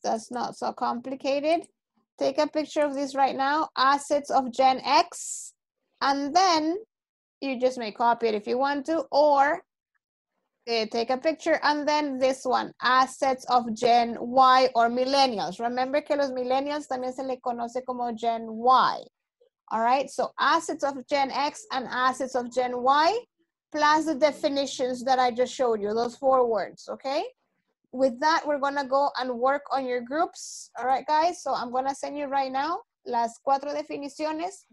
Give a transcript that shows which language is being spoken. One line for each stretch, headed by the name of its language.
English: That's not so complicated. Take a picture of this right now, assets of Gen X, and then you just may copy it if you want to, or take a picture, and then this one, assets of Gen Y or millennials.
Spanish: Remember que los millennials también se le conoce como Gen Y.
English: All right, so assets of Gen X and assets of Gen Y, plus the definitions that I just showed you, those four words, okay? With that, we're gonna go and work on your groups. All right, guys, so I'm gonna send you right now
Spanish: las cuatro definiciones.